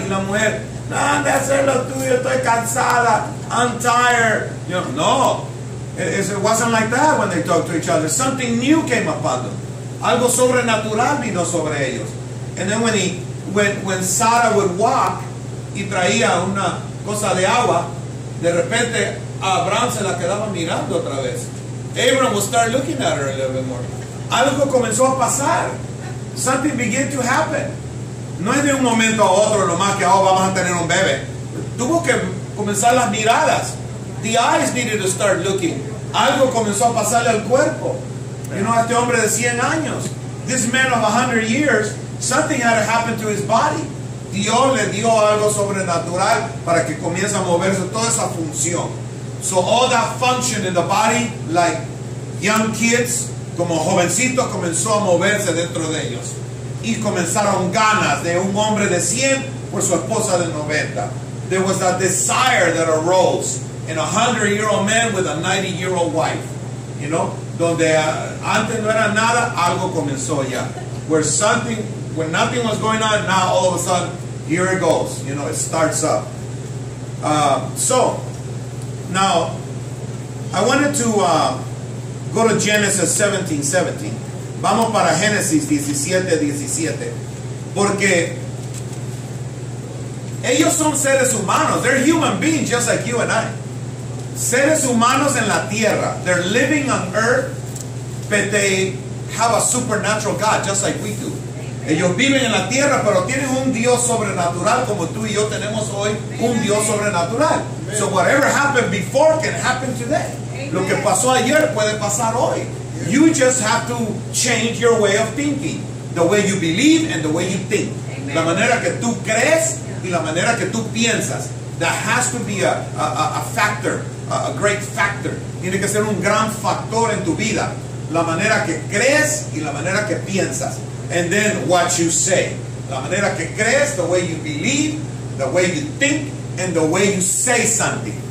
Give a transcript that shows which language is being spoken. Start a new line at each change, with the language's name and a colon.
Spanish: Y la mujer, no, anda a hacer lo tuyo, estoy cansada.
English: I'm tired. You know, no. It wasn't like that when they talked to each other. Something new came upon them.
Spanish: Algo sobrenatural vino sobre ellos.
English: And then when Sarah would walk
Spanish: y traía una cosa de agua, de repente Abraham se la quedaba mirando otra vez.
English: Abraham would start looking at her a little bit more.
Spanish: Algo comenzó a pasar.
English: Something began to happen.
Spanish: No es de un momento a otro nomás que, oh, vamos a tener un bebé. Tuvo que comenzar las miradas.
English: The eyes needed to start looking.
Spanish: Algo comenzó a pasarle al cuerpo. You know, este hombre de 100 años.
English: This man of 100 years, something had to happen to his body.
Spanish: Dios le dio algo sobrenatural para que comience a moverse toda esa función.
English: So all that function in the body, like young kids,
Spanish: como jovencitos,
English: comenzó a moverse dentro de ellos.
Spanish: Y comenzaron ganas de un hombre de 100 por su esposa de 90.
English: There was a desire that arose in a 100-year-old man with a 90-year-old wife.
Spanish: You know, donde antes no era nada, algo comenzó ya.
English: Where something, when nothing was going on, now all of a sudden, here it goes. You know, it starts up. Now, I wanted to go to Genesis 17:17.
Spanish: Vamos para Génesis 17:17. Porque ellos son seres humanos.
English: They're human beings just like you and I.
Spanish: Seres humanos en la tierra.
English: They're living on earth, but they have a supernatural God just like we do.
Spanish: Ellos viven en la tierra, pero tienen un Dios sobrenatural como tú y yo tenemos hoy, un Dios sobrenatural. Amen.
English: So whatever happened before can happen today. Amen.
Spanish: Lo que pasó ayer puede pasar hoy.
English: Yeah. You just have to change your way of thinking. The way you believe and the way you think. Amen.
Spanish: La manera que tú crees y la manera que tú piensas.
English: That has to be a great factor.
Spanish: Tiene que ser un gran factor en tu vida. La manera que crees y la manera que piensas.
English: And then what you say.
Spanish: La manera que crees,
English: the way you believe, the way you think, and the way you say something.